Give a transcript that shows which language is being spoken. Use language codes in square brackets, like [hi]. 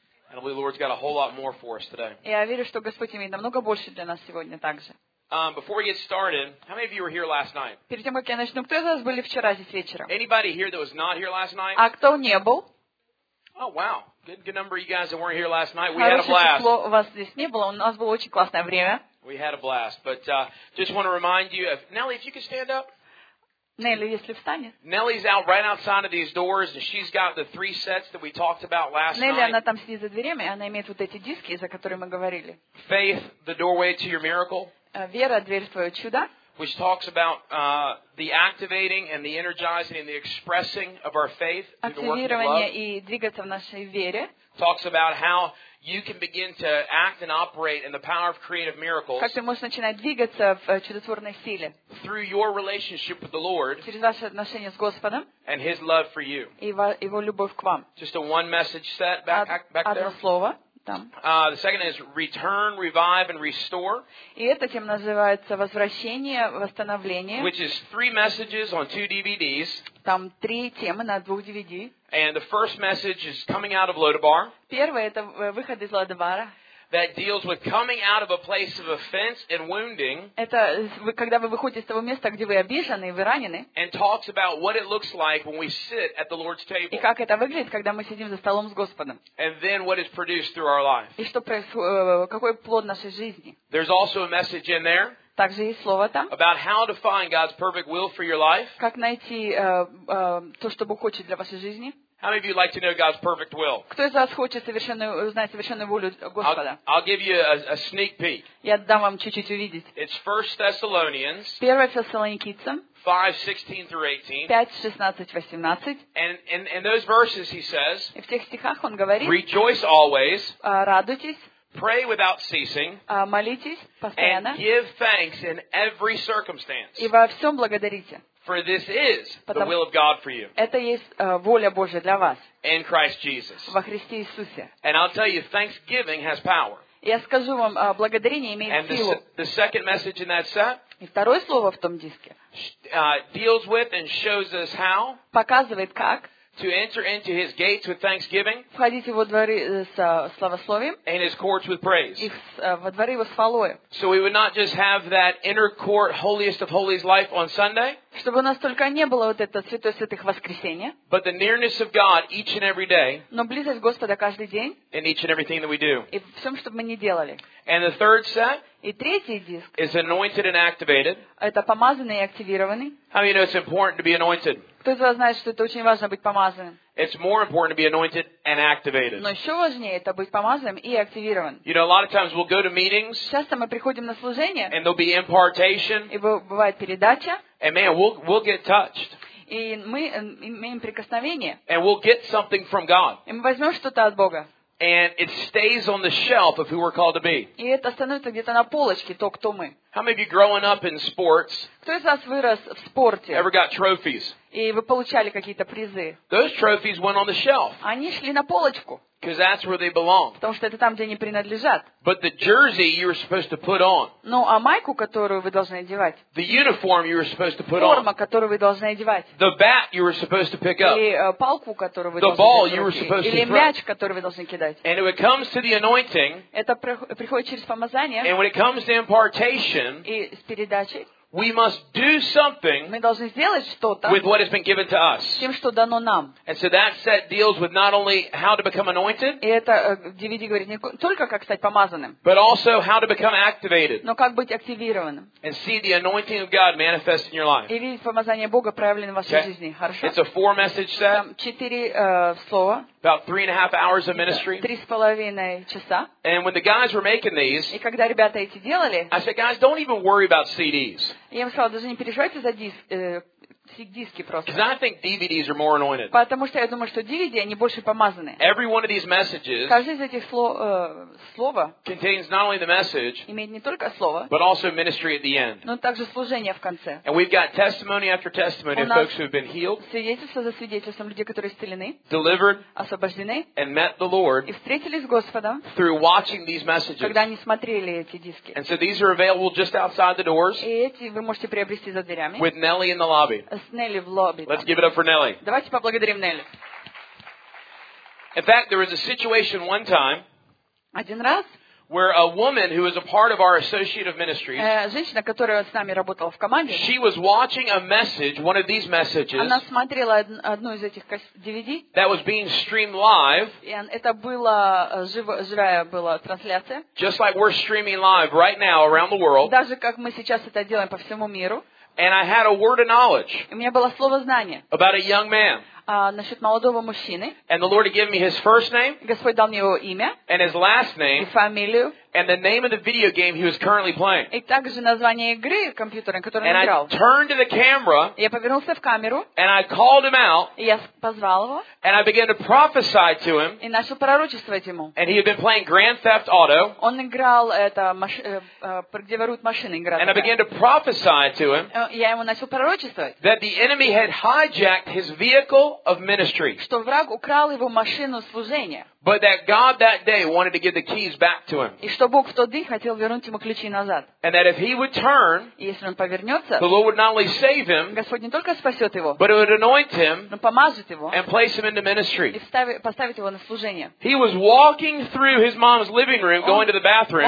[en] And I believe the Lord's got a whole lot more for us today. [ru] Я верю, что Господь имеет намного больше для нас сегодня также. [en] Before we get started, how many of you were here last night? [ru] Перед тем, как я начну, кто из вас были вчера здесь вечером? [en] Anybody here that was not here last night? [ru] А кто не был? [en] Oh, wow. Good number of you guys that weren't here last night. We had a blast. [ru] Хорошее число вас здесь не было. У нас было очень классное время. [en] We had a blast. But just want to remind you, Nelly, if you could stand up. [ru] Нелли, если встанет. [en] Nelly's out right outside of these doors, and she's got the three sets that we talked about last night. [ru] Нелли, она там сидит за дверями, и она имеет вот эти диски, за которые мы говорили. [en] Faith, the doorway to your miracle. [ru] Вера, дверь в твое чудо. [en] Which talks about the activating and the energizing and the expressing of our faith through the working of love. [ru] Активирование и двигаться в нашей вере. [en] Talks about how you can begin to act and operate in the power of creative miracles. [ru] Как ты можешь начинать двигаться в чудотворной силе. [en] Through your relationship with the Lord. [ru] Через ваши отношения с Господом. [en] And His love for you. [ru] И его любовь к вам. [en] Just a one message set back [ru] одно [en] there. [ru] Одно слово. [en] The second is return, revive, and restore. [ru] И это тем называется возвращение, восстановление. [en] Which is three messages on two DVDs. [ru] Там три темы на двух DVD. [en] And the first message is coming out of Lodabar. [ru] Первое это выход из Лодебара. [en] That deals with coming out of a place of offense and wounding. [ru] Это когда вы выходите из того места, где вы обижены, вы ранены. [en] And talks about what it looks like when we sit at the Lord's table. [ru] И как это выглядит, когда мы сидим за столом с Господом. [en] And then what is produced through our life. [ru] И что какой плод нашей жизни. [en] There's also a message in there. [ru] Также есть слово там. [en] About how to find God's perfect will for your life. [ru] Как найти то, что Бог хочет для вашей жизни. [en] How many of you like to know God's perfect will? [ru] Кто из вас хочет узнать совершенную волю Господа? [en] I'll give you a sneak peek. [ru] Я дам вам чуть-чуть увидеть. [en] It's 1 Thessalonians. [ru] 1 Фессалоникийцам. [en] 5:16-18. And in those verses he says. [ru] И в тех стихах он говорит. [en] Rejoice always. [ru] Радуйтесь. [en] Pray without ceasing. [ru] Молитесь постоянно. [en] And give thanks in every circumstance. [ru] И во всем благодарите. [en] For this is the will of God for you. [ru] Это есть воля Божья для вас. [en] In Christ Jesus. [ru] Во Христе Иисусе. [en] And I'll tell you, thanksgiving has power. [ru] Я скажу вам, благодарение имеет силу. [en] And the second message in that set. [ru] И второе слово в том диске. [en] Deals with and shows us how. [ru] Показывает как. [en] To enter into His gates with thanksgiving. [ru] Входить в его дворы с славословием. [en] And His courts with praise. [ru] И во дворы его с хвалою. [en] So we would not just have that inner court, holiest of holies life on Sunday. [ru] Чтобы у нас только не было вот это святой святых воскресенье. [en] But the nearness of God each and every day. [ru] Но близость Господа каждый день. [en] In each and everything that we do. [ru] И в всем, что бы мы ни делали. [en] And the third set. [ru] И третий диск. [en] Is anointed and activated. [ru] Это помазанный и активированный. [en] How you know it's important to be anointed? [ru] Кто из вас знает, что это очень важно быть помазанным? [en] It's more important to be anointed and activated. [ru] Но еще важнее это быть помазанным и активированным. [en] You know, a lot of times we'll go to meetings. [ru] Часто мы приходим на служение. [en] And there'll be impartation. [ru] И бывает передача. [en] And man, we'll get touched. [ru] И мы имеем прикосновение. [en] And we'll get something from God. [ru] И мы возьмем что-то от Бога. [en] And it stays on the shelf of who we're called to be. [ru] И это становится где-то на полочке, то, кто мы. [en] How many of you growing up in sports? [ru] Кто из вас вырос в спорте? [en] Ever got trophies? [ru] И вы получали какие-то призы? [en] Those trophies went on the shelf. [ru] Они шли на полочку. [en] Because that's where they belong. [ru] Потому что это там, где они принадлежат. [en] But the jersey you were supposed to put on. [ru] Ну, а майку, которую вы должны одевать. [en] The uniform you were supposed to put on. [ru] Форма, которую вы должны одевать. [en] The bat you were supposed to pick up. [ru] И палку, которую вы должны [en] The ball you were supposed to throw. [ru] Или мяч, который вы должны кидать. [en] And when it comes to the anointing. [ru] Это приходит через помазание. [en] And when it comes to impartation. [ru] И с передачей. [en] We must do something with what has been given to us. [ru] Тем, что дано нам. [en] And so that set deals with not only how to become anointed, [ru] и это, DVD говорит, не только как стать помазанным, [en] but also how to become activated. [ru] Но как быть активированным. [en] And see the anointing of God manifest in your life. [ru] И видеть помазание Бога проявленным в вашей [en] okay. [ru] жизни. Хорошо? [en] It's a four message set. [ru] Там четыре слова. [en] About 3.5 hours of ministry. [ru] 3.5 часа. [en] And when the guys were making these, [ru] и когда ребята эти делали, [en] I said, guys, don't even worry about CDs. [ru] Я им сказал, даже не переживайте за диск, диски просто. [en] Because I think DVDs are more anointed. [ru] Потому что я думаю, что DVD, они больше помазаны. [en] Every one of these messages [ru] каждый из этих слова [en] contains not only the message, [ru] имеет не только слово, [en] but also ministry at the end. [ru] Но также служение в конце. [en] And we've got testimony after testimony of folks who have been healed, [ru] свидетельство за свидетельством людей, которые исцелены, [en] delivered, [ru] освобождены, [en] and met the Lord, [ru] и встретились с Господом, [en] through watching these messages. [ru] Когда они смотрели эти диски. [en] And so these are available just outside the doors. [ru] И эти вы можете приобрести за дверями. [en] With Nelly in the lobby. [ru] С Нелли в лобби. [en] Let's give it up for Nelly. [ru] Давайте поблагодарим Нелли. [en] In fact, there was a situation one time [ru] один раз [en] where a woman who was a part of our associative ministries, [ru] женщина, которая с нами работала в команде, [en] she was watching a message, one of these messages, [ru] она смотрела одну из этих DVD, [en] that was being streamed live, [ru] and это была живая была трансляция, [en] just like we're streaming live right now around the world, [ru] даже как мы сейчас это делаем по всему миру. [en] And I had a word of knowledge. [ru] У меня было слово знания. [en] About a young man. [ru] Насчет молодого мужчины. [en] And the Lord had given me his first name. [ru] Господь дал мне его имя. [en] And his last name. [ru] И фамилию. [en] And the name of the video game he was currently playing. [ru] И также название игры компьютерной, которую он играл. [en] And I turned to the camera. [ru] Я повернулся в камеру. [en] And I called him out. [ru] И я позвал его. [en] And I began to prophesy to him. [ru] И начал пророчествовать ему. [en] And he had been playing Grand Theft Auto. [ru] Он играл это где воруют машины, игра. [en] And I began to prophesy to him. [ru] Я ему начал пророчествовать. [en] That the enemy had hijacked his vehicle of ministry. [ru] Что враг украл его машину служения. [en] But that God that day wanted to give the keys back to him. [ru] И что Бог в тот день хотел вернуть ему ключи назад. [en] And that if he would turn, [ru] если он повернется, [en] the Lord would not only save him, [ru] Господь не только спасет его, [en] but it would anoint him, [ru] но помазать его, [en] and place him into ministry. [ru] И поставить его на служение. [en] He was walking through his mom's living room, going to the bathroom.